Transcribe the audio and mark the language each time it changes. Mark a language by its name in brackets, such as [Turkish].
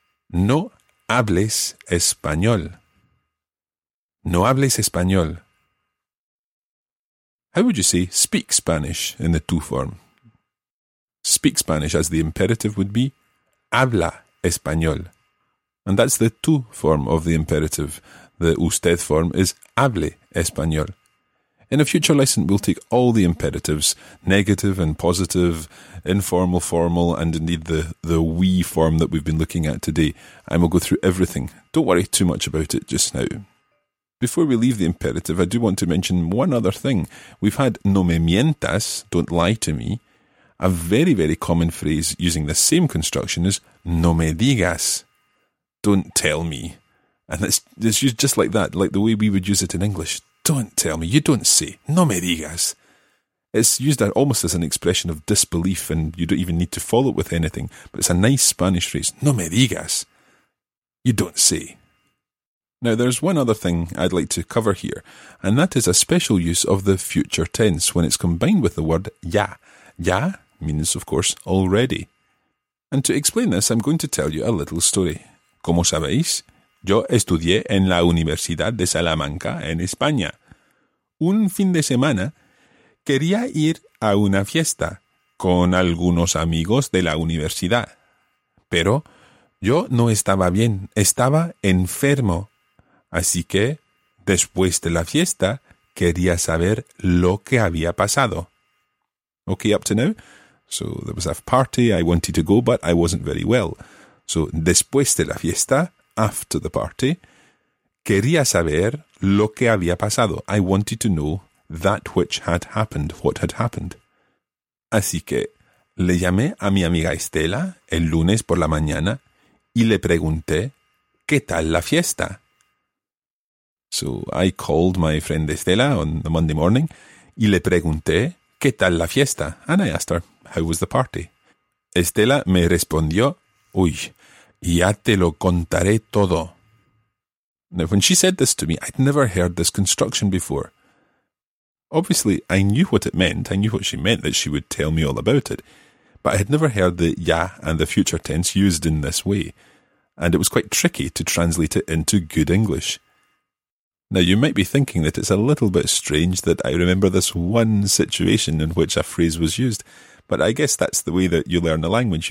[Spanish] No hables español. No hables español. [English] How would you say speak Spanish in the tú form? Speak Spanish, as the imperative would be [Spanish] habla español. [English] And that's the tú form of the imperative. The usted form is [Spanish] hable español. [English] In a future lesson, we'll take all the imperatives, negative and positive, informal, formal, and indeed the we form that we've been looking at today, and we'll go through everything. Don't worry too much about it just now. Before we leave the imperative, I do want to mention one other thing. We've had [Spanish] no me mientas, [English] don't lie to me. A very, very common phrase using the same construction is [Spanish] no me digas, [English] don't tell me. And it's used just like that, like the way we would use it in English. Don't tell me, you don't say, [Spanish] no me digas. [English] It's used almost as an expression of disbelief and you don't even need to follow it with anything, but it's a nice Spanish phrase, [Spanish] no me digas, [English] you don't say. Now there's one other thing I'd like to cover here, and that is a special use of the future tense when it's combined with the word ya. Ya means, of course, already. And to explain this, I'm going to tell you a little story. [Spanish] Como sabéis, yo estudié en la Universidad de Salamanca, en España. Un fin de semana, quería ir a una fiesta con algunos amigos de la universidad. Pero yo no estaba bien, estaba enfermo. Así que, después de la fiesta, quería saber lo que había pasado. [English] Okay, up to now. So there was a party, I wanted to go, but I wasn't very well. [Spanish] So después de la fiesta, [English] after the party, [Spanish] quería saber lo que había pasado. [English] I wanted to know that which had happened, what had happened. [Spanish] Así que le llamé a mi amiga Estela el lunes por la mañana y le pregunté, ¿qué tal la fiesta? [English] So I called my friend Estela on the Monday morning [Spanish] y le pregunté, ¿qué tal la fiesta? [English] And I asked her, how was the party? [Spanish] Estela me respondió, uy, ya te lo contaré todo. [English] Now, when she said this to me, I'd never heard this construction before. Obviously, I knew what it meant. I knew what she meant, that she would tell me all about it. But I had never heard the ya and the future tense used in this way. And it was quite tricky to translate it into good English. Now, you might be thinking that it's a little bit strange that I remember this one situation in which a phrase was used, but I guess that's the way that you learn a language.